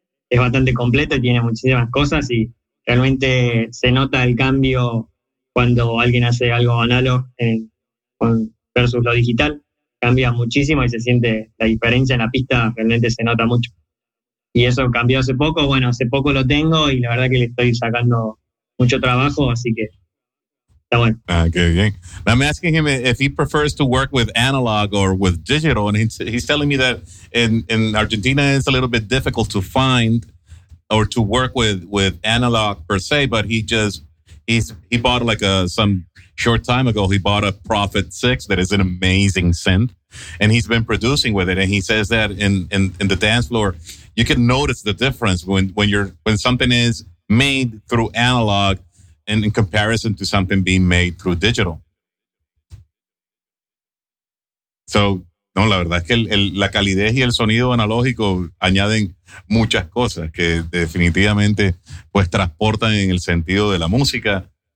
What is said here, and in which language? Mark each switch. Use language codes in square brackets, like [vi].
[es] Es bastante completo, tiene muchísimas cosas y realmente se nota el cambio cuando alguien hace algo análogo versus lo digital. Cambia muchísimo y se siente la diferencia en la pista, realmente se nota mucho. Y eso cambió hace poco, bueno, hace poco lo tengo y la verdad que le estoy sacando mucho trabajo, así que está bueno. Ah, qué bien. [en] I'm asking him if he prefers to work with analog or with digital, and he's telling me that in Argentina it's a little bit difficult to find or to work with analog per se, but he bought like a some short time ago, he bought a Prophet 6 that is an amazing synth, and he's been producing with it. And he says that in the dance floor, you can notice the difference when something is made through analog and in comparison to something being made through digital. [es] So, no, la verdad es que la calidez y el sonido analógico añaden muchas cosas que definitivamente pues transportan en el sentido de la música.